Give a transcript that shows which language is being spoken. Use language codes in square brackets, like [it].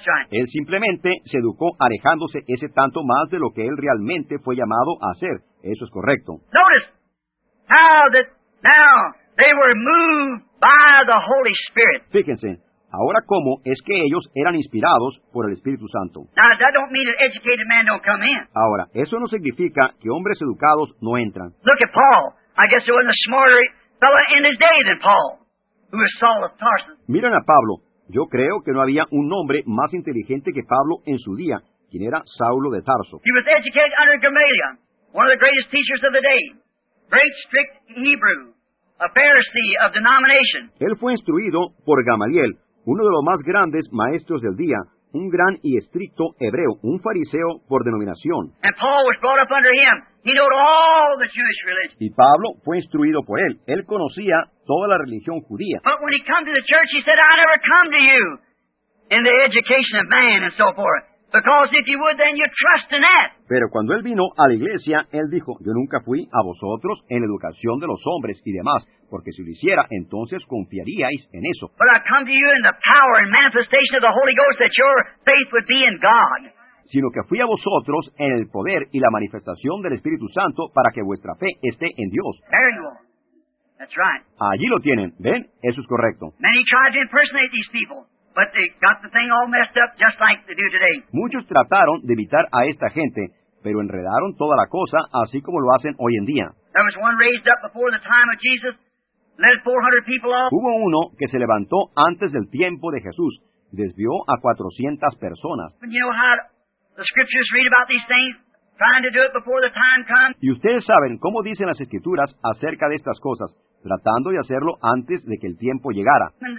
[es] Él simplemente se educó alejándose ese tanto más de lo que él realmente fue llamado a hacer. Eso es correcto. [en] Notice how that now they were moved by the Holy Spirit. [es] Fíjense, ahora cómo es que ellos eran inspirados por el Espíritu Santo. [en] Now, that don't mean an educated man don't come in. [es] Ahora, eso no significa que hombres educados no entran. [en] Look at Paul. I guess he wasn't a smarter fellow in his day than Paul. Who is Saul of Tarsus? [es] Miren a Pablo. Yo creo que no había un hombre más inteligente que Pablo en su día, quien era Saulo de Tarso. [en] He was educated under Gamaliel, one of the greatest teachers of the day. Great, strict Hebrew, a Pharisee of denomination. [es] Él fue instruido por Gamaliel, uno de los más grandes maestros del día, un gran y estricto hebreo, un fariseo por denominación. [en] And Paul was brought up under him. He knew all the Jewish religion. [es] Y Pablo fue instruido por él. Él conocía toda la religión judía. [en] But when he came to the church, he said, I never come to you in the education of man and so forth. Because if you would, then you trust in that. [es] Pero cuando él vino a la iglesia, él dijo, yo nunca fui a vosotros en educación de los hombres y demás, porque si lo hiciera, entonces confiaríais en eso. [en] But I come to you in the power and manifestation of the Holy Ghost that your faith would be in God. [es] Sino que fui a vosotros en el poder y la manifestación del Espíritu Santo para que vuestra fe esté en Dios. [en] There you are. That's right. [es] Allí lo tienen. ¿Ven? Eso es correcto. [en] Many tried to impersonate these people. But they got the thing all messed up just like they do today. [es] Muchos trataron de evitar a esta gente, pero enredaron toda la cosa así como lo hacen hoy en día. [en] There was one raised up before the time of Jesus, led 400 people off. [es] Hubo uno que se levantó antes del tiempo de Jesús, desvió a 400 personas. [en] And you know how the scriptures read about these things, trying to do it before the time comes. [es] Y ustedes saben cómo dicen las escrituras acerca de estas cosas. Tratando de hacerlo antes de que el tiempo llegara.